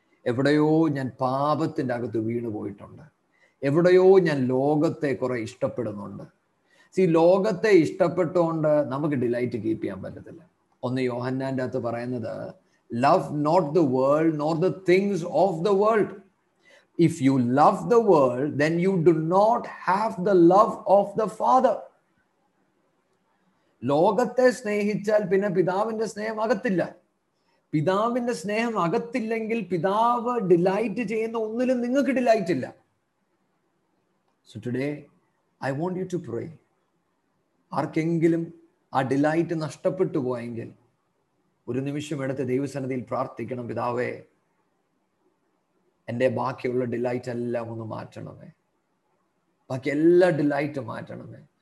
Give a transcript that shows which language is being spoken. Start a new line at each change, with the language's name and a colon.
Malayalam: എവിടെയോ ഞാൻ പാപത്തിൻ്റെ അകത്ത് വീണു പോയിട്ടുണ്ട്, എവിടെയോ ഞാൻ ലോകത്തെ കുറെ ഇഷ്ടപ്പെടുന്നുണ്ട്. ഈ ലോകത്തെ ഇഷ്ടപ്പെട്ടുകൊണ്ട് നമുക്ക് ഡിലൈറ്റ് കീപ്പ് ചെയ്യാൻ പറ്റത്തില്ല. ഒന്ന് യോഹന്നാൻ്റെ അകത്ത് പറയുന്നത്,
English: love not the world
Malayalam: not the things of the world.
English: If you love the world, then you do not have the love of the Father.
Malayalam: ലോകത്തെ സ്നേഹിച്ചാൽ പിന്നെ പിതാവിന്റെ സ്നേഹം അകത്തില്ല. പിതാവിന്റെ സ്നേഹം അകത്തില്ലെങ്കിൽ പിതാവ് ഡിലൈറ്റ് ചെയ്യുന്ന ഒന്നിലും നിങ്ങൾക്ക് ഡിലൈറ്റ് ഇല്ല.
English: So today, I want you to pray.
Malayalam: ആർക്കെങ്കിലും ആ ഡിലൈറ്റ് നഷ്ടപ്പെട്ടു പോയെങ്കിൽ ഒരു നിമിഷം എടുത്ത് ദൈവസന്നിധിയിൽ പ്രാർത്ഥിക്കണം, പിതാവേ എൻ്റെ ബാക്കിയുള്ള ഡിലൈറ്റ് എല്ലാം ഒന്ന് മാറ്റണമേ, ബാക്കി എല്ലാ ഡിലൈറ്റും മാറ്റണമേ.